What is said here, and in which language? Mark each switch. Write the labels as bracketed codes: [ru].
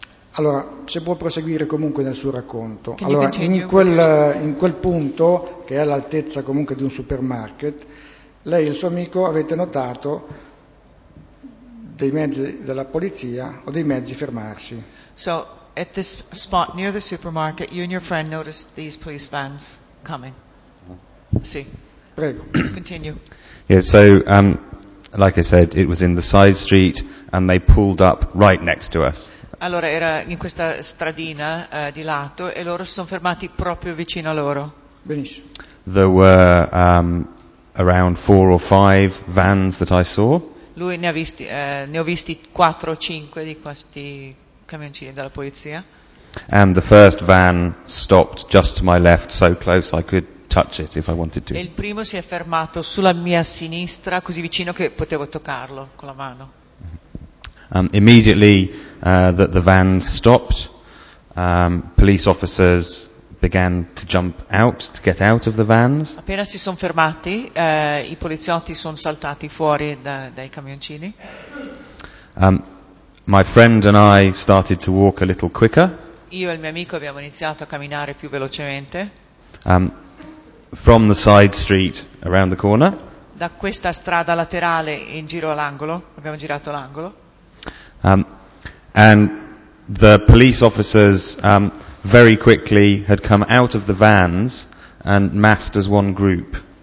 [it] Allora, se può proseguire comunque nel suo racconto. [en] Can [it] allora, in quel punto, che è all'altezza comunque di un supermarket, lei e il suo amico avete notato dei mezzi della polizia o dei mezzi fermarsi. [en] So, at this spot near the supermarket, you and your friend noticed these police vans coming. [it] Sì. Prego. [en] Continue. Yeah, so, like I said, it was in the side street, and they pulled up right next to us. [it] Allora, era in questa stradina di lato, e loro si sono fermati proprio vicino a loro. Benissimo. [en] There were around four or five vans that I saw. [it] Lui ne ha visti, ne ho visti quattro o cinque di questi camioncini della polizia. [en] And the first van stopped just to my left, so close I could touch it if I wanted to. [it] E il primo si è fermato sulla mia sinistra, così vicino che potevo toccarlo con la mano. [en] Immediately that the van stopped, police officers began to jump out to get out of the vans. [it] Appena si sono fermati, i poliziotti sono saltati fuori dai camioncini. [en] My friend and I started to walk a little quicker. [it] Io e il mio amico abbiamo iniziato a camminare più velocemente. [en] From the side street around the corner. [it] Da questa strada laterale in giro all'angolo, abbiamo girato l'angolo. [en] And the police officers very quickly had come out of the vans and massed as one group.